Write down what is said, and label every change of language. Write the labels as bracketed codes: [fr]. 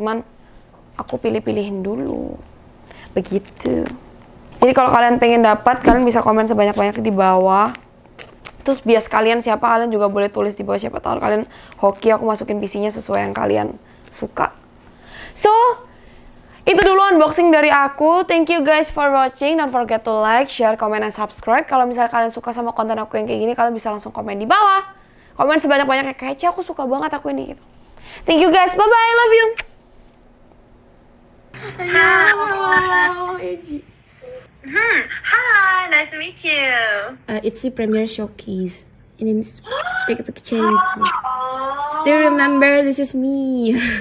[id] Cuman aku pilih-pilihin dulu. Begitu. Jadi kalau kalian pengen dapat, kalian bisa komen sebanyak-banyak di bawah. Terus bias kalian siapa, kalian juga boleh tulis di bawah, siapa tahu kalian hoki aku masukin PC-nya sesuai yang kalian suka. So, itu dulu unboxing dari aku. [en] Thank you guys for watching. Don't forget to like, share, comment, and subscribe. [id] Kalau misalnya kalian suka sama konten aku yang kayak gini, kalian bisa langsung komen di bawah. Komen sebanyak-banyaknya, kece aku suka banget aku ini. [en] Thank you guys, bye-bye, I love you. Hello, Eji. Hi, nice to meet you. It's the premiere showcase. My name is take a picture with you. Still remember, this is me.